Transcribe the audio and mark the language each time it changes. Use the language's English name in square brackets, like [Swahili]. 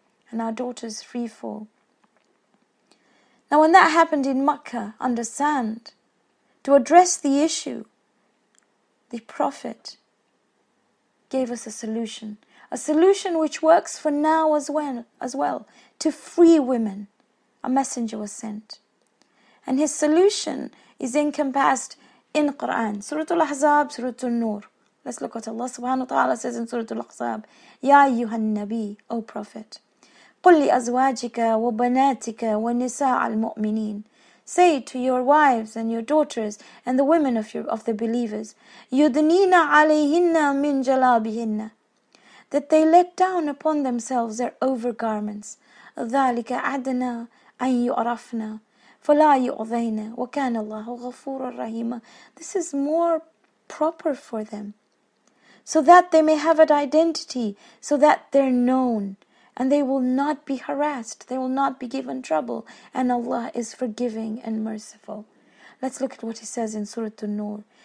[English] And our daughter's free fall. Now, when that happened in Makkah, understand, to address the issue, the Prophet gave us a solution which works for now as well, to free women. A messenger was sent. And his solution is encompassed in Quran, Surah Al-Ahzab, Surah Al-Nur. Let's look what Allah subhanahu wa ta'ala says in Surah Al-Ahzab. [Arabic] Ya ayyuhan nabi, [English] O Prophet. [Arabic] قل لأزواجك وبناتك ونساء المؤمنين. [English] Say to your wives and your daughters and the women of the believers, [Arabic] يدنين عليهن من جلابهن, [English] that they let down upon themselves their overgarments. [Arabic] ذلك أدنى أن يعرفن فلا يؤذين وكان الله غفورا رحيما. [English] This is more proper for them, so that they may have an identity, so that they're known. And they will not be harassed. They will not be given trouble. And Allah is forgiving and merciful. Let's look at what he says in Surah An-Nur.